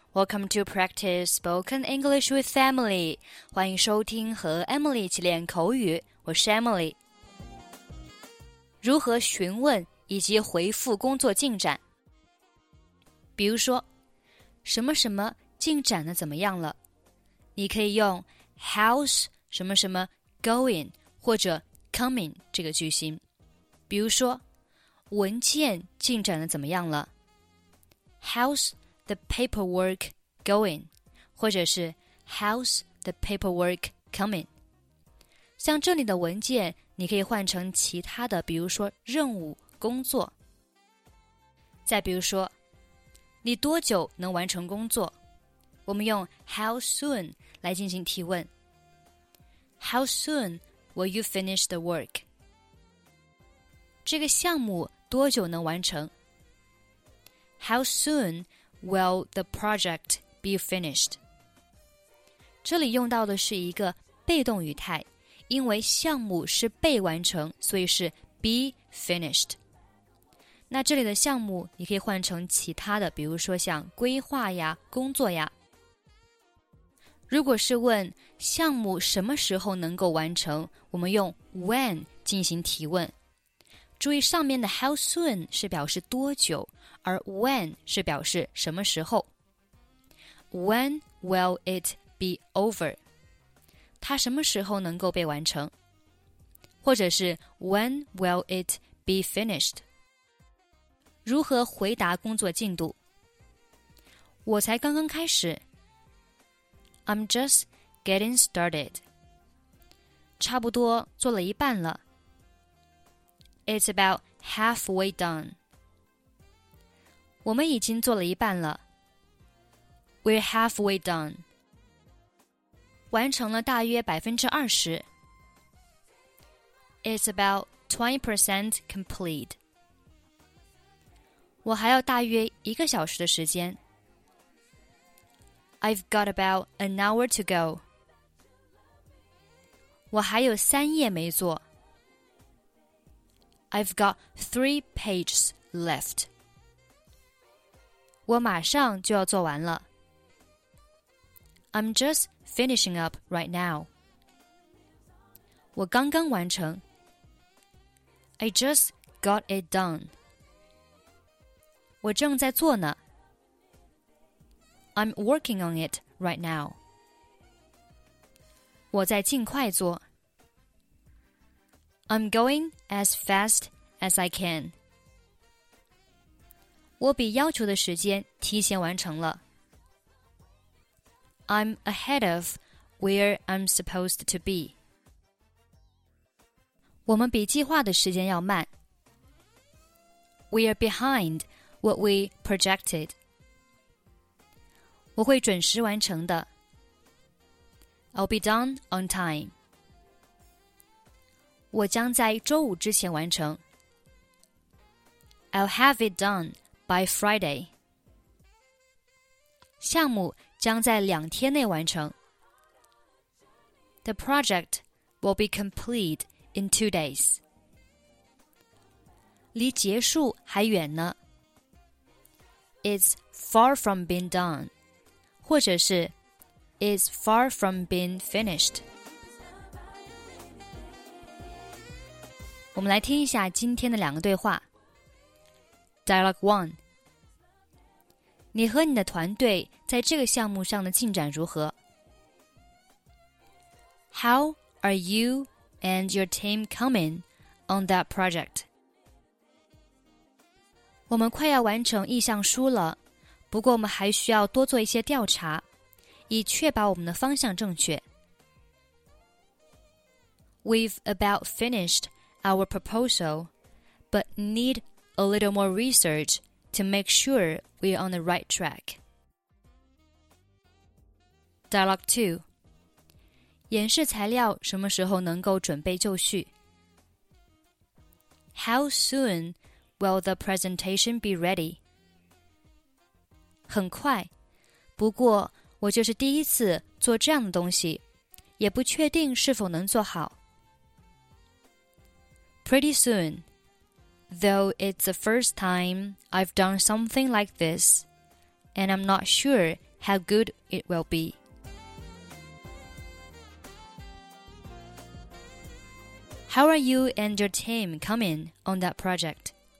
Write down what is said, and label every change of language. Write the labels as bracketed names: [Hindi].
[English] Welcome to Practice Spoken English with Emily. [Chinese] 欢迎收听和 Emily 一起练口语。我是 Emily。如何询问以及回复工作进展？比如说，什么什么进展的怎么样了？你可以用 [English] how's [Chinese] 什么什么 [English] going [Chinese] 或者 [English] coming [Chinese] 这个句型。比如说，文件进展的怎么样了？ [English] How's the paperwork going? [Chinese] 或者是 [English] How's the paperwork coming? [Chinese] 像这里的文件你可以换成其他的比如说任务工作。再比如说你多久能完成工作我们用 [English] How soon [Chinese] 来进行提问。 [English] How soon will you finish the work? [Chinese] 这个项目多久能完成 [English] How soon will the project be finished? [Chinese] 这里用到的是一个被动语态，因为项目是被完成，所以是 [English] be finished。 [Chinese] 那这里的项目你可以换成其他的，比如说像规划呀、工作呀。如果是问项目什么时候能够完成，我们用 when 进行提问。注意上面的 [English] how soon [Chinese] 是表示多久，而 when 是表示什么时候。 [English] When will it be over? [Chinese] 它什么时候能够被完成？或者是 [English] when will it be finished? [Chinese] 如何回答工作进度？我才刚刚开始。 [English] I'm just getting started. [Chinese] 差不多做了一半了。 [English] It's about halfway done. [Chinese] 我们已经做了一半了。 [English] We're halfway done. [Chinese] 完成了大约20%。 [English] It's about 20% complete. [Chinese] 我还要大约一个小时的时间。 [English] I've got about an hour to go. [Chinese] 我还有三页没做。 [English] I've got 3 pages left. [Chinese] 我马上就要做完了。 [English] I'm just finishing up right now. [Chinese] 我刚刚完成。 [English] I just got it done. [Chinese] 我正在做呢。 [English] I'm working on it right now. [Chinese] 我在尽快做。 [English] I'm going as fast as I can. [Chinese] 我比要求的时间提前完成了。 [English] I'm ahead of where I'm supposed to be. [Chinese] 我们比计划的时间要慢。 [English] We are behind what we projected. [Chinese] 我会准时完成的。 [English] I'll be done on time. [Chinese] 我将在周五之前完成。 [English] I'll have it done by Friday. [Chinese] 项目将在两天内完成。 [English] The project will be complete in 2 days. [Chinese] 离结束还远呢。 [English] It's far from being done. [Chinese] 或者是 [English] It's far from being finished. [Chinese] 我们来听一下今天的两个对话。 [English] Dialogue 1. [Chinese] 你和你的团队在这个项目上的进展如何? [English] How are you and your team coming on that project? [Chinese] 我们快要完成意向书了,不过我们还需要多做一些调查,以确保我们的方向正确。 [English] We've about finished our proposal, but need a little more research to make sure we are on the right track. Dialogue 2. [Chinese] 演示材料什么时候能够准备就绪? [English] How soon will the presentation be ready? [Chinese] 很快,不过我就是第一次做这样的东西,也不确定是否能做好。 [English] Pretty soon. Though it's the first time I've done something like this, and I'm not sure how good it will be. How are you and your team coming on that project?